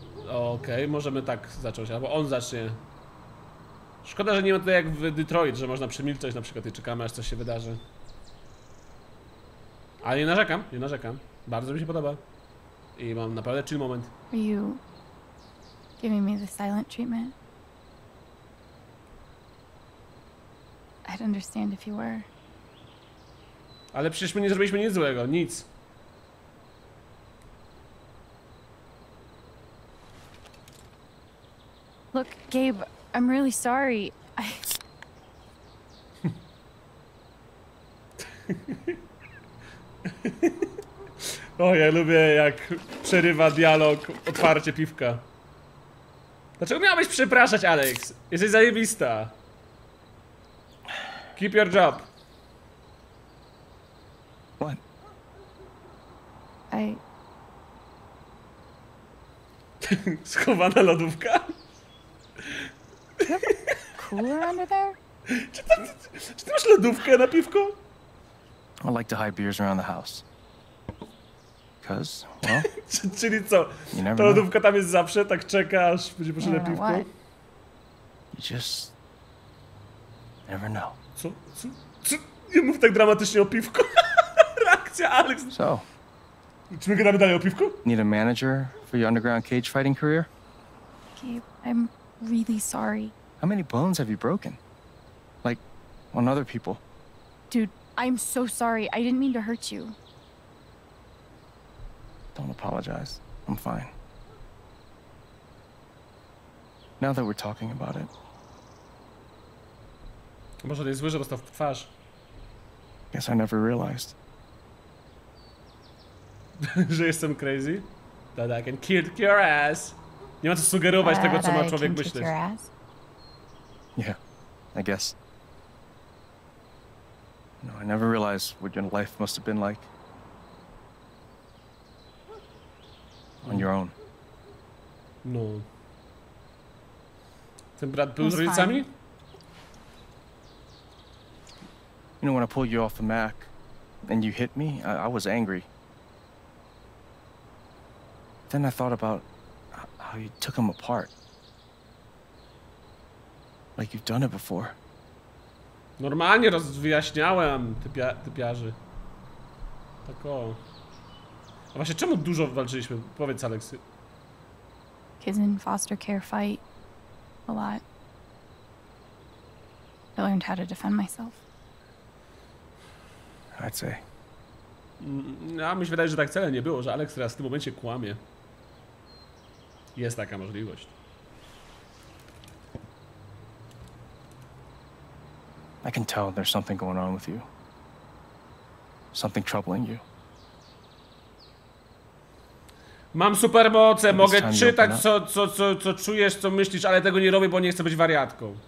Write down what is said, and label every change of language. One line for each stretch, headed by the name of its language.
Polish: Okej, możemy tak zacząć, albo on zacznie. Szkoda, że nie ma tutaj jak w Detroit, że można przemilczeć na przykład i czekamy, aż coś się wydarzy. Ale nie narzekam, nie narzekam. Bardzo mi się podoba. I mam naprawdę
English: chill moment. You giving me the silent treatment? I'd understand if you were.
Polish: Ale przecież my nie zrobiliśmy nic złego, nic.
English: Look, Gabe, I'm really sorry. I...
Polish: O, ja lubię, jak przerywa dialog otwarcie piwka. Dlaczego miałbyś przepraszać, Alex? Jesteś zajebista.
English: Keep your job. What? I...
Polish: Schowana lodówka?
English: Cooler under there?
Polish: Czy ty masz lodówkę na piwko?
English: I like to hide beers around the house. because, well...
Polish: Czyli co? Ta lodówka tam jest zawsze, tak czekasz, będzie poszedł na piwko?
English: You just... never know.
Polish: Co? Co? Co? Nie mów tak dramatycznie o piwku. Reakcja Alex.
English: So?
Polish: Czy my gadamy dalej o piwku?
English: Need a manager for your underground cage fighting career? Gabe, I'm really sorry. How many bones have you broken? Like, on other people? Dude, I'm so sorry. I didn't mean to hurt you. Don't apologize. I'm fine. Now that we're talking about it.
Polish: Może nie słyszę, bo to w twarz.
English: Guess I never realized.
Polish: Że jestem crazy?
English: That I can kick your ass.
Polish: Nie ma co sugerować tego, co ma człowiek myśleć.
English: Yeah, I guess. No, I never realized what your life must have been like. On your own. No.
Polish: Ten brat był z rodzicami?
English: You know, when I pulled you off the Mac and you hit me, I was angry. Then I thought about how you took him apart. Like you've done it before.
Polish: Normalnie rozwyjaśniałem typiarzy. Tak o. A właśnie czemu dużo walczyliśmy? Powiedz, Aleksy.
English: Kids in foster care fight a lot. I learned how to defend myself. I'd say.
Polish: No, mi się wydaje, że tak wcale nie było, że Alex teraz w tym momencie kłamie. Jest taka możliwość.
English: I can tell there's something going on with you. Something troubling you.
Polish: Mam supermoce, mogę czytać co czujesz, co myślisz, ale tego nie robię, bo nie chcę być wariatką.